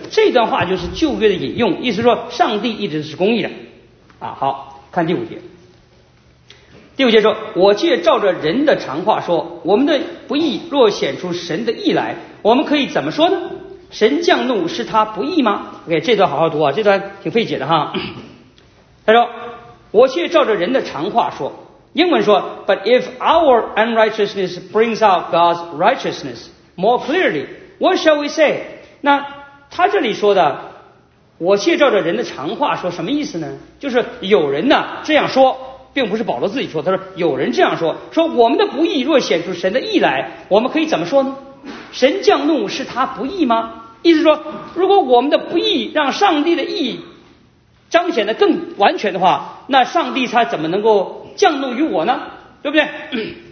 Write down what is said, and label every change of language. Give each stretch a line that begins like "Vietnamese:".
Chinese: 这段话就是旧约的引用，意思说上帝一直是公义的啊。好，看第五节，第五节说，我却照着人的常话说，我们的不义若显出神的义来，我们可以怎么说呢？神降怒是他不义吗？OK， 这段好好读啊，这段挺费解的哈。他说，我却照着人的常话说，英文说
English: But if our unrighteousness brings out God's righteousness more clearly, what shall we say?
Chinese: 那他这里说的，我却照着人的常话说，什么意思呢？就是有人呢这样说，并不是保罗自己说，他说有人这样说，说我们的不义若显出神的义来，我们可以怎么说呢？神降怒是他不义吗？意思说，如果我们的不义让上帝的义彰显得更完全的话，那上帝他怎么能够降怒于我呢？对不对？